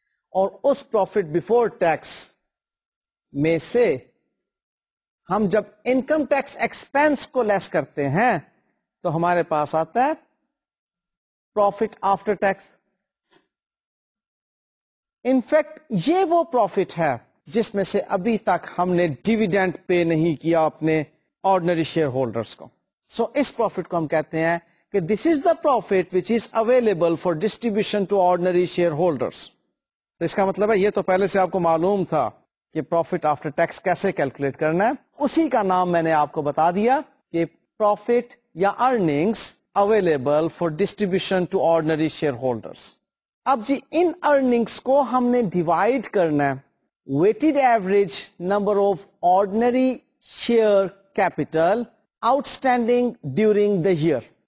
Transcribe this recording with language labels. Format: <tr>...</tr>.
<ur>اور اس profit before tax میں سے ہم جب انکم ٹیکس ایکسپینس کو لیس کرتے ہیں تو ہمارے پاس آتا ہے پروفٹ آفٹر ٹیکس. انفیکٹ یہ وہ پروفٹ ہے جس میں سے ابھی تک ہم نے ڈیویڈینڈ پے نہیں کیا اپنے آرڈنری شیئر ہولڈرز کو. سو اس پروفٹ کو ہم کہتے ہیں</ur> <en>کہ this is the profit which is available for distribution to ordinary shareholders.</en> <ur>تو اس کا مطلب ہے یہ تو پہلے سے آپ کو معلوم تھا کہ پروفٹ آفٹر ٹیکس کیسے کیلکولیٹ کرنا ہے. اسی کا نام میں نے آپ کو بتا دیا کہ پروفٹ یا earnings available for distribution to ordinary share holders. اب جی ان ارننگس کو ہم نے ڈیوائڈ کرنا ہے</ur> <en>Weighted average number of ordinary share capital outstanding during the year.</en>